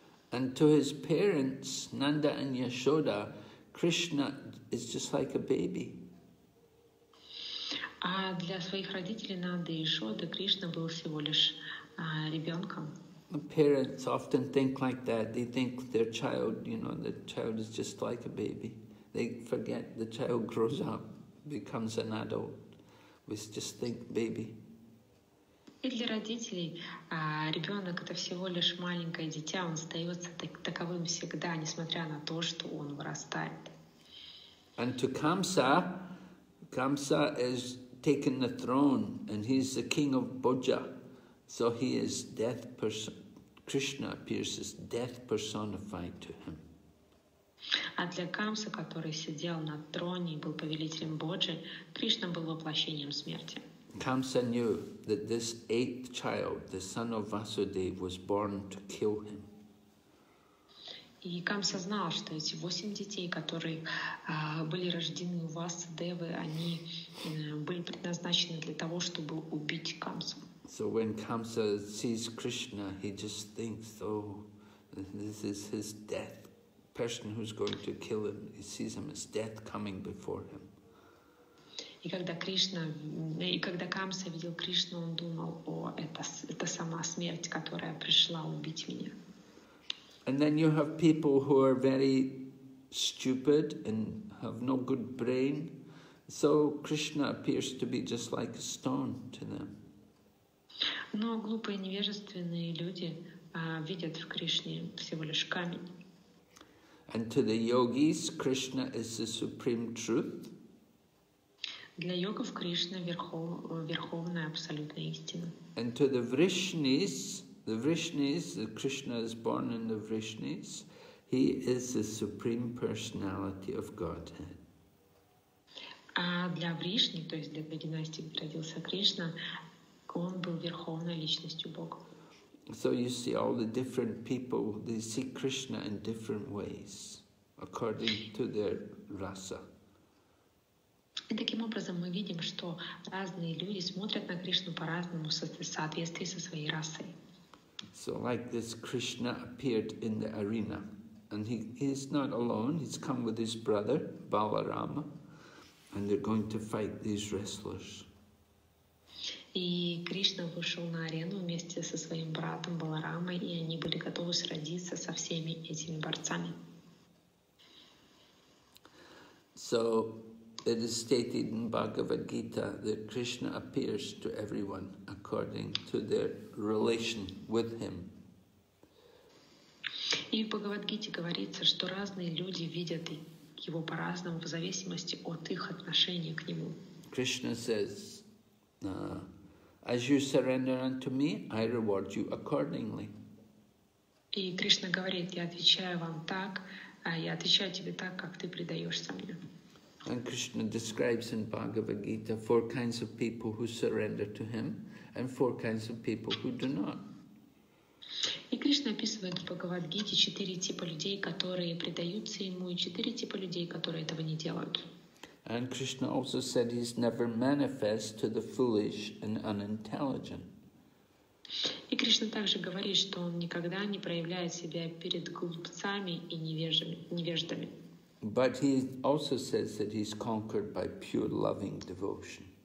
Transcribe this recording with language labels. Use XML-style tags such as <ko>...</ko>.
<en>And to his parents, Nanda and Yashoda, Krishna is just like a baby.</en> <ru>А для своих родителей Нанды и Яшоды Кришна был всего лишь ребенком.</ru> <en>Parents often think like that. They think their child, you know, the child is just like a baby. They forget the child grows up, becomes an adult. We just think baby.</en> <ru>И для родителей ребенок это всего лишь маленькое дитя. Он остается таковым всегда, несмотря на то, что он вырастает.</ru> <en>And to Kamsa is taken the throne, and he's the king of Bhoja. So he is death person. Krishna appears as death personified to him.</en> <ru>А для Камсы, который сидел на троне и был повелителем Боджи, Кришна был воплощением смерти.</ru> <en>Kamsa knew that this eighth child, the son of Vasudeva, was born to kill him.</en> <ru>И Камса знал, что эти восемь детей, которые были рождены у Васудевы, они были предназначены для того, чтобы убить Камсу.</ru> <en>So when Kamsa sees Krishna, he just thinks, oh, this is his death. Person who's going to kill him, he sees him as death coming before him.</en> <ru>И когда Кришна, и когда Камса видел Кришну, он думал, о, это сама смерть, которая пришла убить меня.</ru> <en>And then you have people who are very stupid and have no good brain. So Krishna appears to be just like a stone to them.</en> <ru>Но глупые невежественные люди видят в Кришне всего лишь камень.</ru> <en>And to the yogis, Krishna is the supreme truth.</en> <ru>Для йогов Кришна верховная абсолютная истина.</ru> <en>And to the Vrishnis, Krishna is born in the Vrishnis, he is the supreme personality of Godhead.</en> <ru>А для Вришни, то есть для династии, где родился Кришна, он был верховной личностью Бога.</ru> <en>So you see all the different people, they see Krishna in different ways, according to their rasa.</en> <ru>И таким образом мы видим, что разные люди смотрят на Кришну по-разному в соответствии со своей расой.</ru> <en>So like this, Krishna appeared in the arena, and he is not alone, he's come with his brother, Balarama, and they're going to fight these wrestlers.</en> <ru>И Кришна вышел на арену вместе со своим братом Баларамой, и они были готовы сразиться со всеми этими борцами.</ru> <en>So, It is stated in Bhagavad Gita that Krishna appears to everyone according to their relation with him.</en> <ru>И в Бхагавад-гите говорится, что разные люди видят его по-разному в зависимости от их отношения к нему.</ru> <en>Krishna says, as you surrender unto me, I reward you accordingly.</en> <ru>И Кришна говорит, я отвечаю вам так, я отвечаю тебе так, как ты предаешься мне.</ru> <en>And Krishna describes in Bhagavad Gita four kinds of people who surrender to him and four kinds of people who do not.</en> <ru>И Кришна описывает в Бхагавад-гите четыре типа людей, которые предаются ему, и четыре типа людей, которые этого не делают.</ru> <en>And Krishna also said he's never manifest to the foolish and unintelligent.</en> <ru>И Кришна также говорит, что он никогда не проявляет себя перед глупцами и невеждами.</ru> <en>But he also says that he's conquered by pure loving devotion.</en>